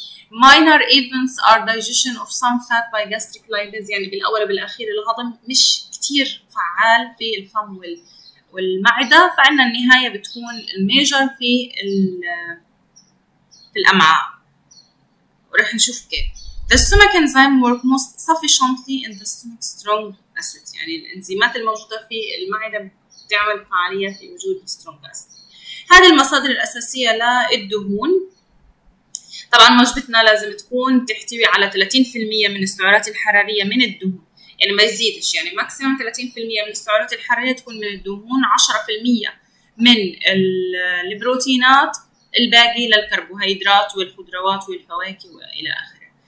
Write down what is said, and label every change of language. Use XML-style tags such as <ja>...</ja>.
<en>minor events are digestion of some fat by gastric lipase،</en> <ar>يعني بالاول وبالاخير الهضم مش كتير فعال في الفم والمعده، فعنا النهايه بتكون الميجر في الامعاء، ورح نشوف كيف.</ar> <en>the stomach enzyme work most sufficiently in the stomach strong acid،</en> <ar>يعني الانزيمات الموجوده في المعده بتعمل فعاليه في وجود</ar> <en>strong acid.</en> <ar>هذه المصادر الاساسيه للدهون. طبعا وجبتنا لازم تكون تحتوي على 30% من السعرات الحرارية من الدهون، يعني ما يزيدش، يعني ماكسيمم 30% من السعرات الحرارية تكون من الدهون، 10% من البروتينات، الباقي للكربوهيدرات والخضروات والفواكه والى اخره.</ar>